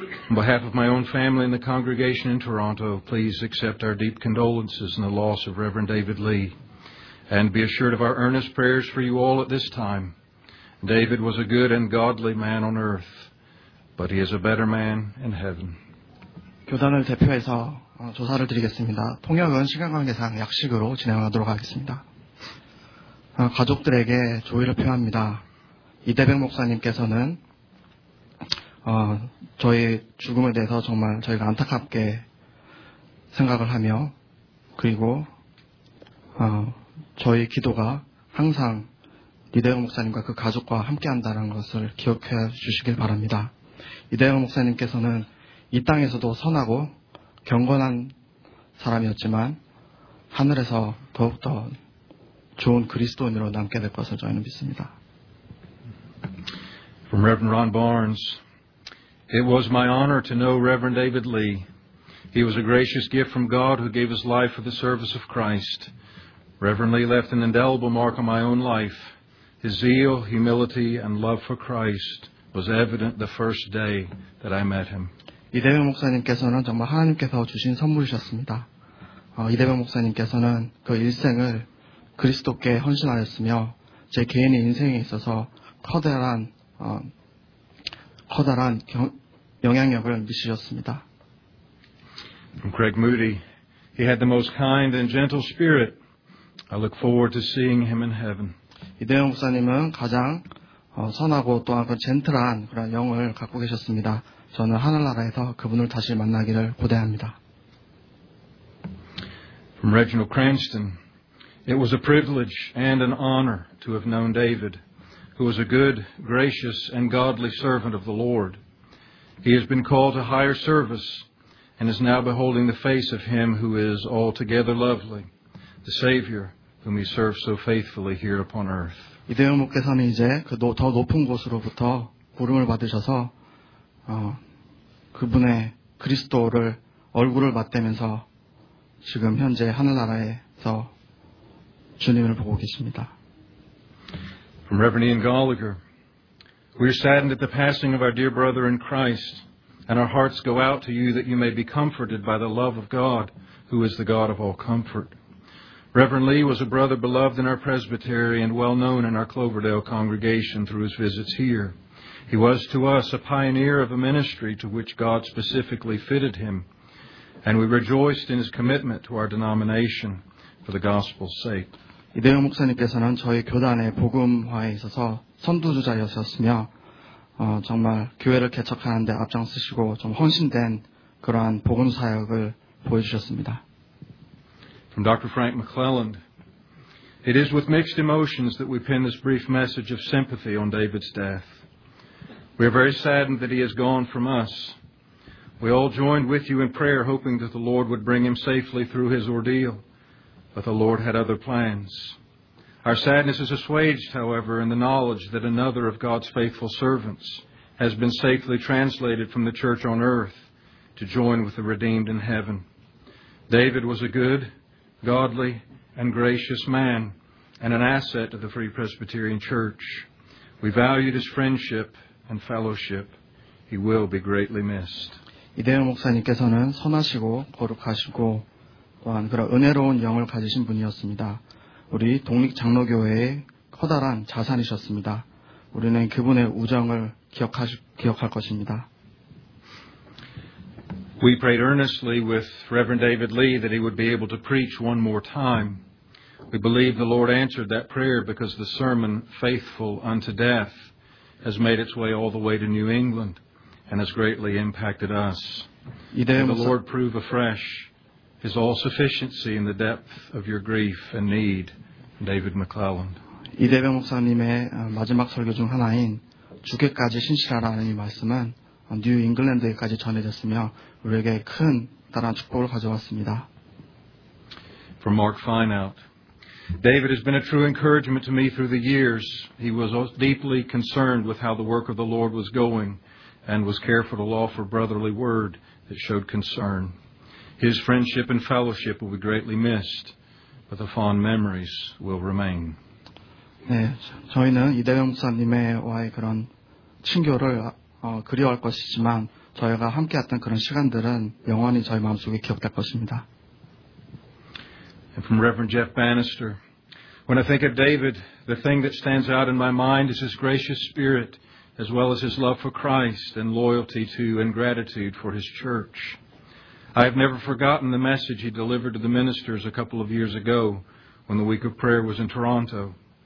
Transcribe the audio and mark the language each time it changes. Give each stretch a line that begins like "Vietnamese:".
English: On behalf of my own family and the congregation in Toronto, please accept our deep condolences in the loss of Reverend David Lee. And be assured of our earnest prayers for you all at this time. David was a good and godly man on earth, but he is a better man in heaven.
Korean: 교단을 대표해서 조사를 드리겠습니다. 통역은 시간 관계상 약식으로 진행하도록 하겠습니다. 가족들에게 조의를 표합니다. 이대백 목사님께서는 저희 죽음에 대해서 정말 저희가 안타깝게 생각을 하며 그리고 저희 기도가 항상 이대영 목사님과 그 가족과 함께한다는 것을 기억해 주시길 바랍니다. 이대영 목사님께서는 이 땅에서도 선하고 경건한 사람이었지만 하늘에서 더욱더 좋은 그리스도인으로 남게 될 것을 저희는 믿습니다.
English: From Reverend Ron Barnes, It was my honor to know Reverend David Lee. He was a gracious gift from God who gave his life for the service of Christ. Reverend Lee left an indelible mark on my own life. His zeal, humility, and love for Christ was evident the first day that I met him.
Korean: 이대명 목사님께서는 정말 하나님께서 주신 선물이셨습니다. 이대명 목사님께서는 그 일생을 그리스도께 헌신하였으며 제 개인의 인생에 있어서 커다란 영향력을 미치셨습니다.
English: From Craig Moody, he had the most kind and gentle spirit. I look forward to seeing him in heaven.
Korean: 이대영 목사님은 가장 선하고 또한 그 젠틀한 그런 영을 갖고 계셨습니다. 저는 하늘나라에서 그분을 다시 만나기를 고대합니다.
English: from Reginald Cranston. It was a privilege and an honor to have known David, who was a good, gracious, and godly servant of the Lord. He has been called to higher service and is now beholding the face of him who is altogether lovely, the Savior whom he served so faithfully here upon earth.
Korean: 이대영목께서는 이제 그 더 높은 곳으로부터 부름을 받으셔서 그분의 그리스도를 얼굴을 맞대면서 지금 현재 하늘나라에서 주님을 보고 계십니다.
English: From Reverend Ian Gallagher, we are saddened at the passing of our dear brother in Christ, and our hearts go out to you that you may be comforted by the love of God, who is the God of all comfort. Reverend Lee was a brother beloved in our presbytery and well known in our Cloverdale congregation through his visits here. He was to us a pioneer of a ministry to which God specifically fitted him, and we rejoiced in his commitment to our denomination for the gospel's sake.
Korean: 이대영 목사님께서는 저희 교단의 복음화에 있어서 선두주자였으며 정말 교회를 개척하는 데 앞장서시고 좀 헌신된 그러한 복음 사역을 보여주셨습니다.
English: From Dr. Frank McClelland, it is with mixed emotions that we pen this brief message of sympathy on David's death. We are very saddened that he has gone from us. We all joined with you in prayer, hoping that the Lord would bring him safely through his ordeal, but the Lord had other plans. Our sadness is assuaged, however, in the knowledge that another of God's faithful servants has been safely translated from the church on earth to join with the redeemed in heaven. David was a good, godly, and gracious man, and an asset to the Free Presbyterian Church. We valued his friendship and fellowship. He will be greatly missed.
Korean: 이대영 목사님께서는 선하시고 거룩하시고 또한 그런 은혜로운 영을 가지신 분이었습니다. 우리 독립장로교회의 커다란 자산이셨습니다. 우리는 그분의 우정을 기억할 것입니다.
English: We prayed earnestly with Reverend David Lee that he would be able to preach one more time. We believe the Lord answered that prayer because the sermon, Faithful Unto Death, has made its way all the way to New England. And has greatly impacted us. May the Lord prove afresh His all-sufficiency in the depth of your grief and need, David McClelland.
Korean: 이대병 목사님의 마지막 설교 중 하나인 주께까지 신실하라는 이 말씀은 뉴 잉글랜드에까지 전해졌으며 우리에게 큰 따라 축복을 가져왔습니다.
English: From Mark Fineout, David has been a true encouragement to me through the years. He was deeply concerned with how the work of the Lord was going. And was careful to offer brotherly word that showed concern. His friendship and fellowship will be greatly missed, but the fond memories will remain.
Korean: 네, 저희는 이대영 목사님의 그런 친교를 그리워할 것이지만 저희가 함께했던 그런 시간들은 영원히 저희 마음속에 기억될 것입니다.
English: And from Reverend Jeff Bannister, when I think of David, the thing that stands out in my mind is his gracious spirit. As well as his love for Christ and loyalty to and gratitude for his church. I have never forgotten the message he delivered to the ministers a couple of years ago when the week of prayer was in Toronto.